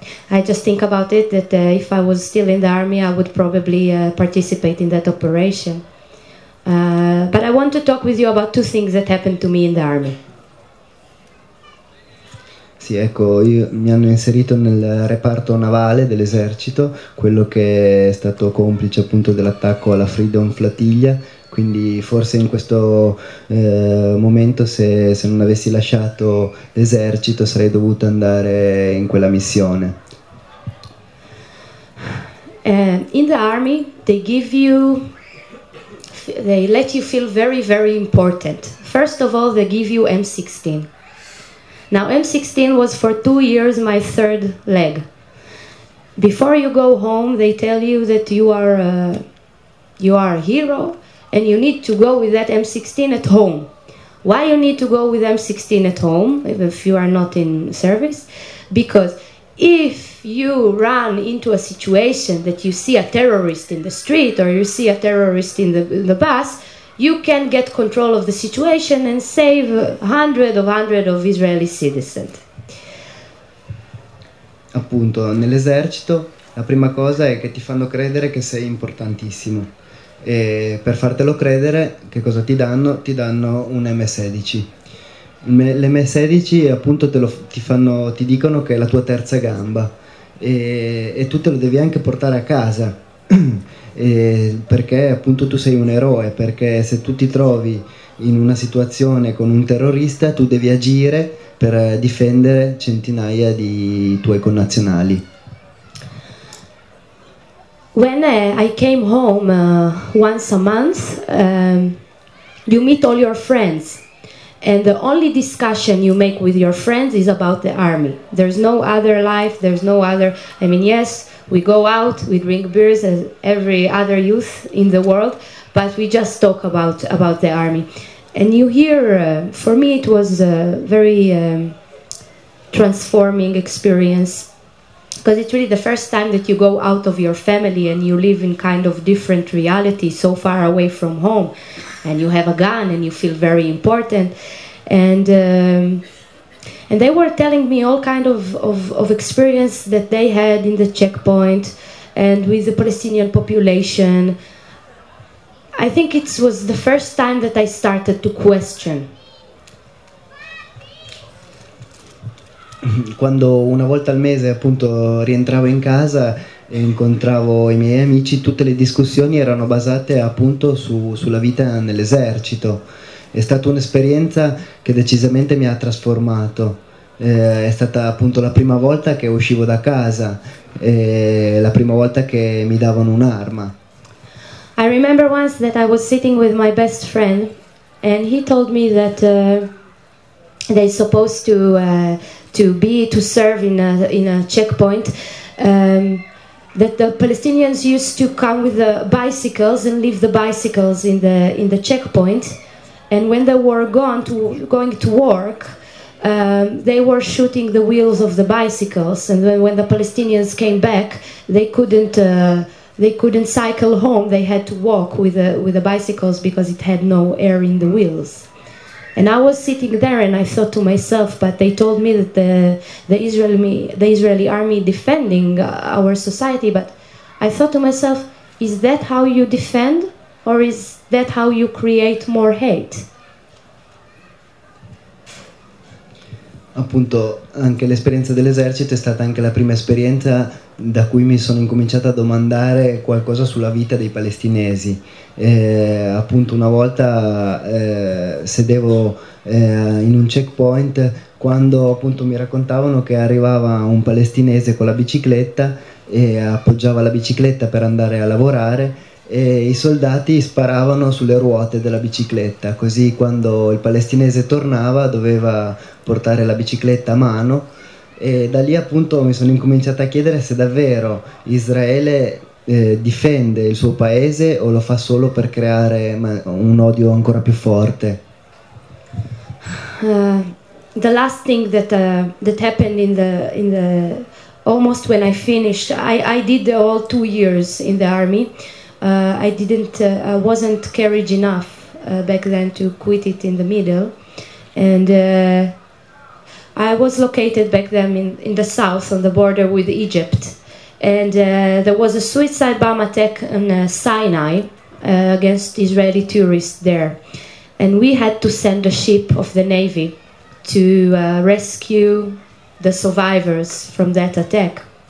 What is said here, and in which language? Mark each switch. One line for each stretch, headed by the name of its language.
English: I just think about it that if I was still in the army, I would probably participate in that operation. But I want to talk with you about two things that happened to me in the army.
Italian: Sì, ecco, mi hanno inserito nel reparto navale dell'esercito, quello che è stato complice appunto dell'attacco alla Freedom Flotilla. Quindi forse in questo momento, se non avessi lasciato l'esercito, sarei dovuto andare in quella missione.
English: In the army, they let you feel very, very important. First of all, they give you M16. Now, M16 was for 2 years my third leg. before you go home, they tell you that you are a hero and you need to go with that M16 at home. Why you need to go with M16 at home if you are not in service? Because if you run into a situation that you see a terrorist in the street or you see a terrorist in the bus, you can get control of the situation and save hundreds of Israeli citizens.
Italian: Appunto, nell'esercito la prima cosa è che ti fanno credere che sei importantissimo. E per fartelo credere, che cosa ti danno? Ti danno un M16. L'M16 appunto ti dicono che è la tua terza gamba e tu te lo devi anche portare a casa perché appunto tu sei un eroe, perché se tu ti trovi in una situazione con un terrorista tu devi agire per difendere centinaia di tuoi connazionali.
English: When I came home once a month, you meet all your friends, and the only discussion you make with your friends is about the army. There's no other life, there's no other... I mean, yes, we go out, we drink beers as every other youth in the world, but we just talk about the army. And you hear, for me it was a very transforming experience, because it's really the first time that you go out of your family and you live in kind of different reality, so far away from home, and you have a gun and you feel very important. And they were telling me all kind of experience that they had in the checkpoint and with the Palestinian population. I think it was the first time that I started to question.
Italian: Quando una volta al mese appunto rientravo in casa e incontravo i miei amici, tutte le discussioni erano basate appunto sulla vita nell'esercito. È stata un'esperienza che decisamente mi ha trasformato. È stata appunto la prima volta che uscivo da casa, la prima volta che mi davano un'arma.
English: I remember once that I was sitting with my best friend and he told me that they're supposed to serve in a checkpoint, that the Palestinians used to come with the bicycles and leave the bicycles in the checkpoint, and when they were going to work, they were shooting the wheels of the bicycles, and then when the Palestinians came back, they couldn't cycle home. They had to walk with the bicycles because it had no air in the wheels. And I was sitting there and I thought to myself, but they told me that the Israeli army defending our society, but I thought to myself, is that how you defend, or is that how you create more hate?
Italian: Appunto, anche l'esperienza dell'esercito è stata anche la prima esperienza da cui mi sono incominciato a domandare qualcosa sulla vita dei palestinesi. Appunto, una volta sedevo in un checkpoint quando appunto mi raccontavano che arrivava un palestinese con la bicicletta e appoggiava la bicicletta per andare a lavorare, e i soldati sparavano sulle ruote della bicicletta, così quando il palestinese tornava doveva portare la bicicletta a mano. E da lì appunto mi sono incominciato a chiedere se davvero Israele difende il suo paese o lo fa solo per creare un odio ancora più forte.
English: The last thing that happened in the almost when I finished, I did the whole 2 years in the army. I wasn't courage enough back then to quit it in the middle, and I was located back then in the south on the border with Egypt, and there was a suicide bomb attack in Sinai against Israeli tourists there, and we had to send a ship of the Navy to rescue the survivors from that attack,